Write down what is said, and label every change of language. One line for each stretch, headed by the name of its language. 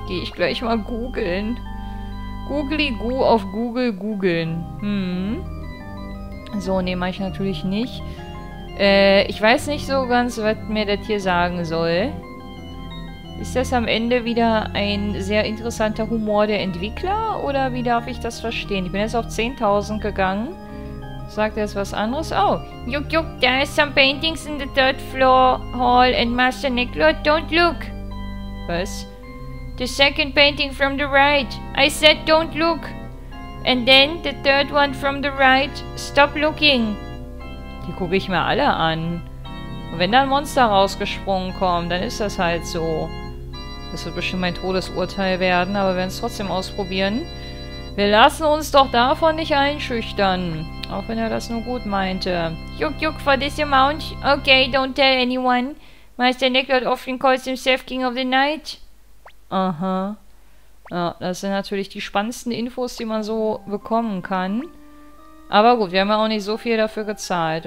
German: Gehe ich gleich mal googeln. Googly Goo auf Google googeln. So, nee, mache ich natürlich nicht. Ich weiß nicht so ganz, was mir das hier sagen soll. Ist das am Ende wieder ein sehr interessanter Humor der Entwickler? Oder wie darf ich das verstehen? Ich bin jetzt auf 10.000 gegangen. Sagt er jetzt was anderes?
English: Oh, juck, juck, there are some paintings in the third floor hall and Master Necklord, don't look.
German: Was?
English: The second painting from the right. I said don't look. And then the third one from the right. Stop looking.
German: Die gucke ich mir alle an. Und wenn da ein Monster rausgesprungen kommt, dann ist das halt so. Das wird bestimmt mein Todesurteil werden, aber wir werden es trotzdem ausprobieren. Wir lassen uns doch davon nicht einschüchtern. Auch wenn er das nur gut meinte.
English: Juck, juck, for this amount. Okay, don't tell anyone. Master Necklord often calls himself King of the Night. Aha.
German: Ja, das sind natürlich die spannendsten Infos, die man so bekommen kann. Aber gut, wir haben ja auch nicht so viel dafür gezahlt.